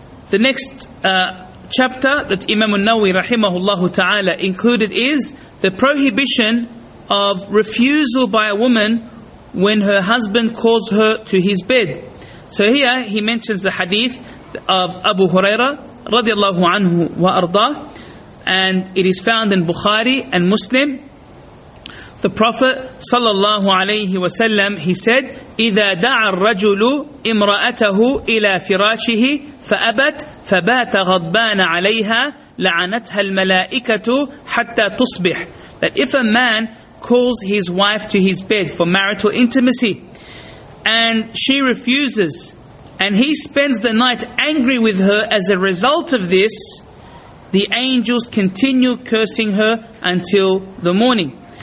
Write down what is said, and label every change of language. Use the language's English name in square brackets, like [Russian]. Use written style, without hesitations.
[English] The next chapter that Imam An-Nawawi rahimahullahu ta'ala included is the prohibition of refusal by a woman when her husband calls her to his bed. So here he mentions the hadith of Abu Huraira radiallahu anhu wa arda, and it is found in Bukhari and Muslim. The Prophet sallallahu alayhi wa sallam, he said, [Arabic] إِذَا دَعَ الرَّجُلُ إِمْرَأَتَهُ إِلَى فِرَاشِهِ فَأَبَتْ فَبَاتَ غَضْبَانَ عَلَيْهَا لَعَنَتْهَا الْمَلَائِكَةُ حَتَّى تُصْبِحْ. [English] That if a man calls his wife to his bed for marital intimacy and she refuses and he spends the night angry with her as a result of this, the angels continue cursing her until the morning.